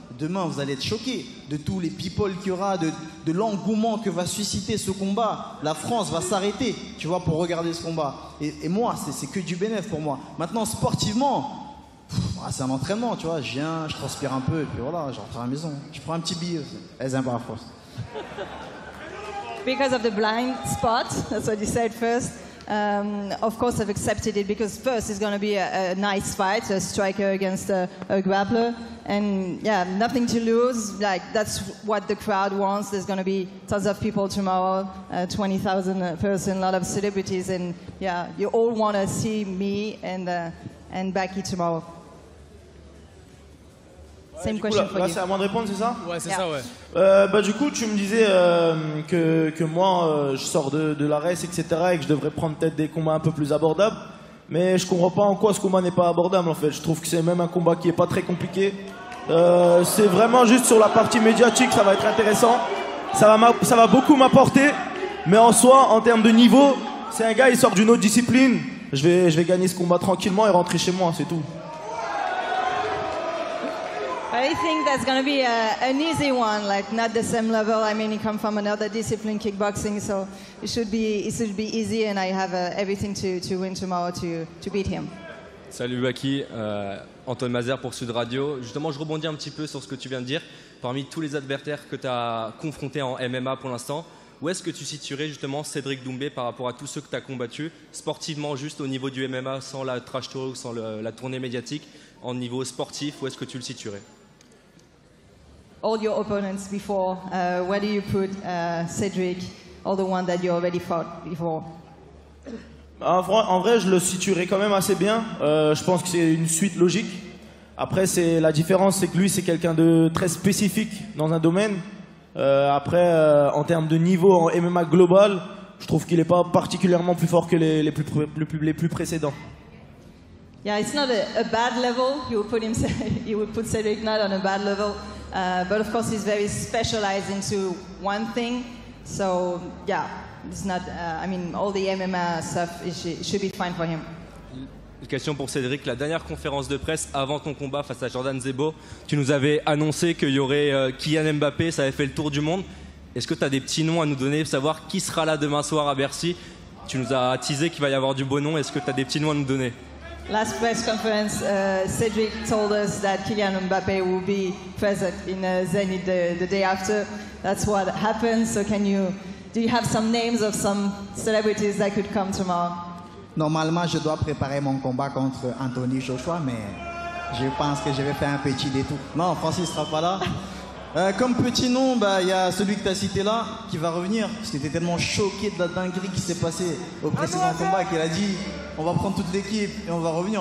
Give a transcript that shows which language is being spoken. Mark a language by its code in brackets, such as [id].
[fr] Demain, vous allez être choqués de tous les people qu'il y aura, de l'engouement que va susciter ce combat. La France va s'arrêter, tu vois, pour regarder ce combat. Et moi, c'est que du bénéfice pour moi. Maintenant, sportivement, c'est un entraînement, tu vois. Je viens, je transpire un peu, et puis voilà, je rentre à la maison. Je prends un petit billet. Elles aiment pas la France. [en] Because of the blind spot, that's what you said first. Of course, I've accepted it because first it's going to be a nice fight, a striker against a grappler, and yeah, nothing to lose. Like that's what the crowd wants. There's going to be tons of people tomorrow, 20,000 person, a lot of celebrities, and yeah, you all want to see me and Baki tomorrow. Same question [fr] coup, là, c'est à moi de répondre, c'est ça? Ouais, c'est yeah. Ça, ouais. Bah, du coup, tu me disais que moi, je sors de l'ARES, etc., et que je devrais prendre peut-être des combats un peu plus abordables. Mais je comprends pas en quoi ce combat n'est pas abordable, en fait. Je trouve que c'est même un combat qui est pas très compliqué. C'est vraiment juste sur la partie médiatique, ça va être intéressant. Ça va beaucoup m'apporter. Mais en soi, en termes de niveau, c'est un gars, il sort d'une autre discipline. Je vais gagner ce combat tranquillement et rentrer chez moi, c'est tout. [en] I think that's going to be an easy one, like not the same level. I mean, he comes from another discipline, kickboxing, so it should be easy, and I have everything to win tomorrow to beat him. [fr] Salut Baki, Antoine Mazer pour Sud Radio. Justement, je rebondis un petit peu sur ce que tu viens de dire. Parmi tous les adversaires que tu as confrontés en MMA pour l'instant, où est-ce que tu situerais justement Cédric Doumbé par rapport à tous ceux que tu as combattus, sportivement juste au niveau du MMA, sans la trash talk, sans la tournée médiatique? En niveau sportif, où est-ce que tu le situerais? [en] All your opponents before, where do you put Cédric, all the ones that you already fought before? [fr] En vrai, je le situerais quand même assez bien. Je pense que c'est une suite logique. Après, c'est la différence, c'est que lui, c'est quelqu'un de très spécifique dans un domaine. Après, en termes de niveau en MMA global, je trouve qu'il n'est pas particulièrement plus fort que les plus précédents. [en] Yeah, it's not a bad level. He would put Cedric Knight on a bad level. But of course, he's very specialized into one thing. So yeah, it's not. All the MMA stuff should be fine for him. [fr] Question pour Cédric. La dernière conférence de presse avant ton combat face à Jordan Zebo, tu nous avais annoncé qu'il y aurait Kylian Mbappé, ça avait fait le tour du monde. Est-ce que tu as des petits noms à nous donner pour savoir qui sera là demain soir à Bercy? Tu nous as teasé qu'il va y avoir du beau nom. Est-ce que tu as des petits noms à nous donner? [en] Last press conference, Cédric told us that Kylian Mbappé will be present in Zenit the day after. That's what happened. So do you have some names of some celebrities that could come tomorrow? [fr] Normalement, je dois préparer mon combat contre Anthony Joshua, mais je pense que je vais faire un petit détour. Non, Francis sera pas là. Comme petit nom, bah, y a celui que tu as cité là qui va revenir. J'étais tellement choqué de la dinguerie qui s'est passée au précédent combat qu'il a dit on va prendre toute l'équipe et on va revenir.